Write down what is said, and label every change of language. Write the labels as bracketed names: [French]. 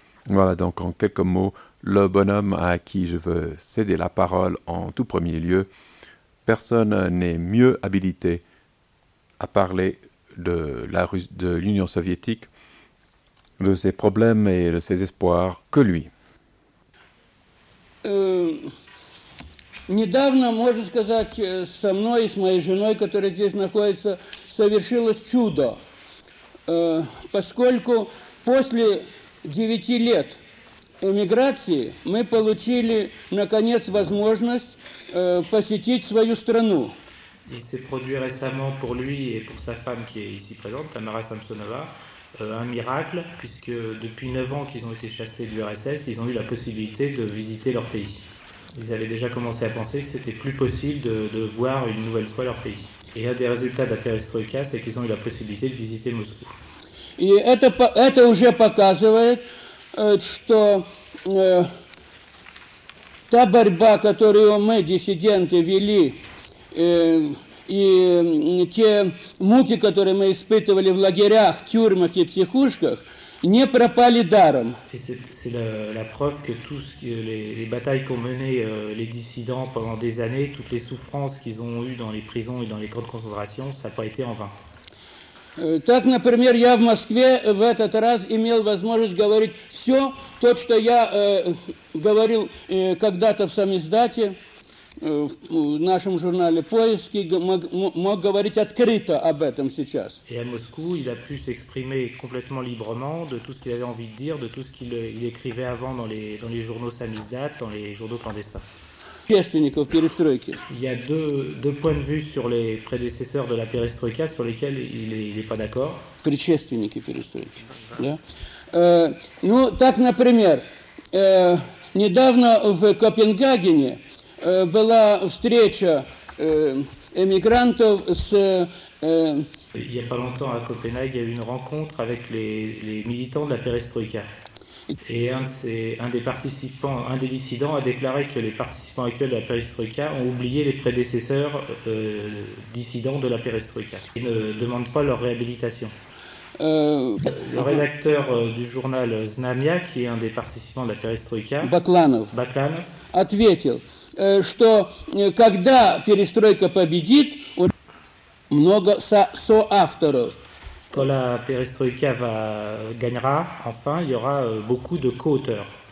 [French] Voilà donc en quelques mots le bonhomme à qui je veux céder la parole en tout premier lieu. Personne n'est mieux habilité à parler de l'Union soviétique, de ses problèmes et de ses espoirs que lui. [Russian] Недавно, можно сказать, со мной и с моей женой, которая здесь находится, совершилось чудо, поскольку после 9 лет эмиграции мы получили, наконец, возможность посетить свою страну. [French] Il s'est produit récemment pour lui et pour sa femme qui est ici présente, Tamara Samsonova, un miracle, puisque depuis 9 ans qu'ils ont été chassés du RSS, ils ont eu la possibilité de visiter leur pays. Ils avaient déjà commencé à penser que c'était plus possible de voir une nouvelle fois leur pays. Et un des résultats de la perestroïka, c'est qu'ils ont eu la possibilité de visiter Moscou. [Russian] Et это уже показывает, что та борьба, которую мы, диссиденты, вели, и те муки, которые мы испытывали в лагерях, тюрьмах и психушках, не пропали даром. [French] Et c'est la preuve que tout ce que les batailles qu'ont menées les dissidents pendant des années, toutes les souffrances qu'ils ont eues dans les prisons et dans les camps de concentration, ça n'a pas été en vain. [Russian] Так, например, я в Москве в этот раз имел возможность говорить все то, что я говорил когда-то в самиздате, в нашем журнале «Поиски», мог говорить открыто об этом сейчас. И в Москве он мог [French] s'exprimer complètement librement de tout ce qu'il avait envie de dire, de tout ce qu'il écrivait avant dans les journaux самиздат, dans les journaux clandestins. [Russian] Общественников перестройки. [French] Il y a deux points de vue sur les prédécesseurs de la перестройка, sur lesquels il est pas d'accord. [Russian] Предшественники перестройки. Да. Ну, так, например, недавно в Копенгагене была встреча эмигрантов с... [French] Il y a pas longtemps à Copenhague, il y a eu une rencontre avec les militants de la перестройка. Et un des dissidents a déclaré que les participants actuels de la perestroïka ont oublié les prédécesseurs dissidents de la perestroïka. Ils ne demandent pas leur réhabilitation. Le rédacteur du journal Znamia, qui est un des participants de la perestroïka, [Russian] Baklanov, a ответил, что когда перестройка победит, много соавторов. [French] Quand la perestroïka gagnera, enfin, il y aura beaucoup de co-auteurs.